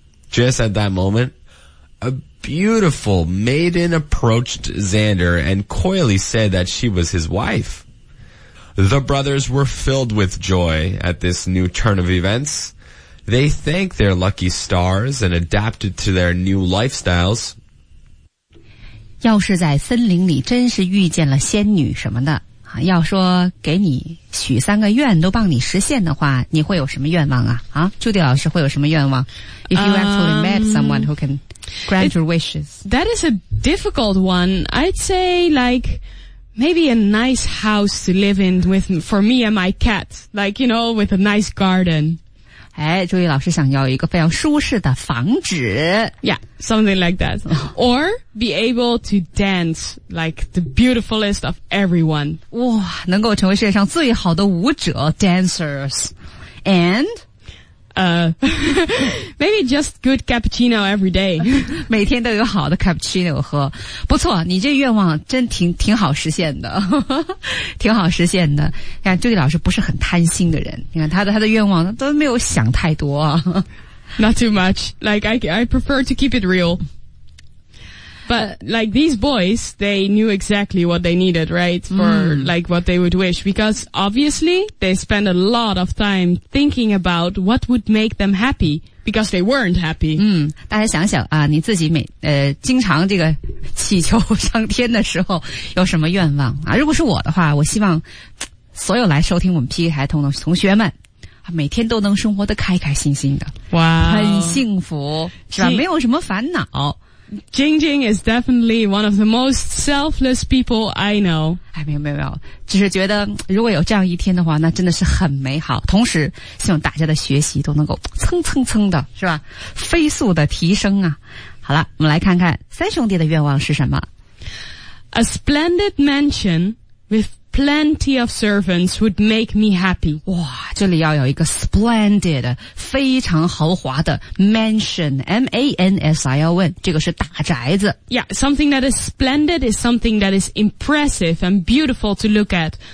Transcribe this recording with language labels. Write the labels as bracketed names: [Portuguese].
[English] Just at that moment, a beautiful maiden approached Xander and coyly said that she was his wife. The brothers were filled with joy at this new turn of events. They thanked their lucky stars and adapted to their new lifestyles. [Chinese] 要是在森林里真是遇见了仙女什么的，要说给你许三个愿都帮你实现的话，你会有什么愿望啊？ [English] 啊， [Chinese] 朱迪老师会有什么愿望 [English] ？If you actually met someone who can grant your wishes, that is a difficult one. I'd say like. Maybe a nice house to live in with, for me and my cat. Like, you know, with a nice garden. [Chinese] 哎，朱毅老师想要一个非常舒适的房子。 [English] Yeah, something like that. Or be able to dance like the beautifulest of everyone. [Chinese] 哇，能够成为世界上最好的舞者 dancers. And... [English] maybe just good cappuccino every day. [Chinese] 每天都有好的 cappuccino 喝。不错，你这愿望真挺好实现的。挺好实现的。你看，朱迪老师不是很贪心的人。你看他的愿望都没有想太多。 [English] Not too much. Like, I prefer to keep it real. But, like, these boys, they knew exactly what they needed, right? For,like, what they would wish. Because, obviously, they spent a lot of time thinking about what would make them happy. Because they weren't happy. [Chinese] 大家想想啊你自己经常这个祈求上天的时候有什么愿望啊如果是我的话我希望所有来收听我们 PK 台的同学们每天都能生活得开开心心的。哇、wow.。很幸福是吧没有什么烦恼。 [English] Jing Jing is definitely one of the most selfless people I know. [Chinese] 哎，没有，只是觉得如果有这样一天的话，那真的是很美好。同时，希望大家的学习都能够蹭蹭蹭的，是吧？飞速的提升啊！好了，我们来看看三兄弟的愿望是什么。 [English] A splendid mansion with plenty of servants would make me happy. [Chinese] 哇，这里要有一个 splendid, 非常豪华的 mansion, M-A-N-S-I-L-N, 这个是大宅子。 [English] Yeah, something that is splendid is something that is impressive and beautiful to look at.